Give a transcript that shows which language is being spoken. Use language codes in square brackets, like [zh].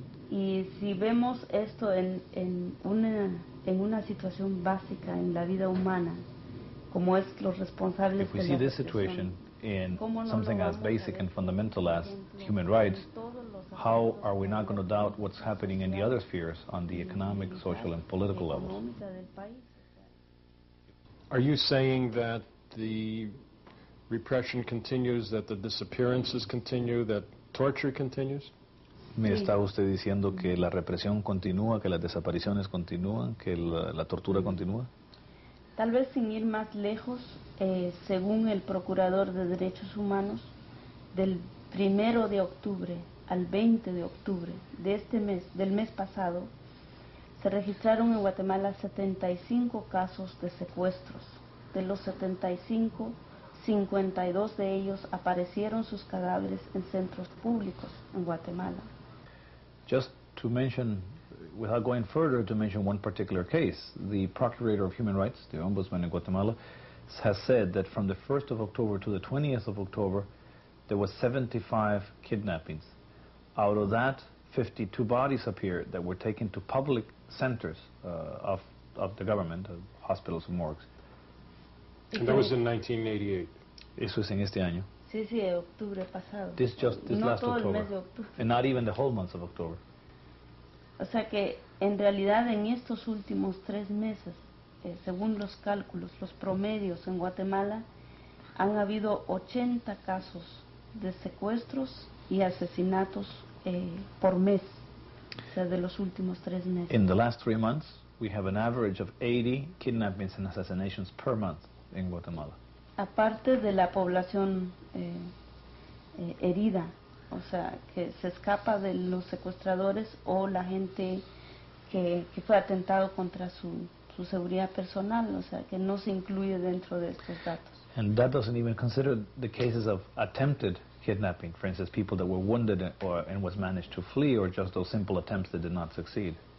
[es] Y si vemos esto en una situación básica en la vida humana, como es los responsables de la represión, [en] this situation in something as basic and fundamental as human rights, how are we not going to doubt what's happening in the other spheres on the economic, social, and political levels? Are you saying that the repression continues, that the disappearances continue, that torture continues? [es] ¿Me está usted diciendo que la represión continúa, que las desapariciones continúan, que la tortura continúa? Tal vez sin ir más lejos, según el Procurador de Derechos Humanos, del 1 de octubre al 20 de octubre de este mes, del mes pasado, se registraron en Guatemala 75 casos de secuestros. De los 75, 52 de ellos aparecieron sus cadáveres en centros públicos en Guatemala. [en] Just to mention without going further, to mention one particular case. The Procurator of Human Rights, the Ombudsman in Guatemala, has said that from the 1st of October to the 20th of October, there were 75 kidnappings. Out of that, 52 bodies appeared that were taken to public centers of the government, of hospitals and morgues. And that was in 1988. [es] Eso es en este año. Sí, sí, octubre pasado. [en] This just this no last [es] todo [en] October. [es] El mes de octubre. [en] And not even the whole month of October. [es] O sea que, en realidad, en estos últimos tres meses, según los cálculos, los promedios en Guatemala, han habido 80 casos de secuestros y asesinatos por mes, o sea, de los últimos tres meses. [en] In the last three months, we have an average of 80 kidnappings and assassinations per month in Guatemala. [es] Aparte de la población herida, o sea, que se escapa de los secuestradores o la gente que fue atentado contra su seguridad personal, o sea, que no se incluye dentro de estos datos. [en] And that doesn't even consider the cases of attempted kidnapping, for instance, people that were wounded or and was managed to flee, or just those simple attempts that did not succeed.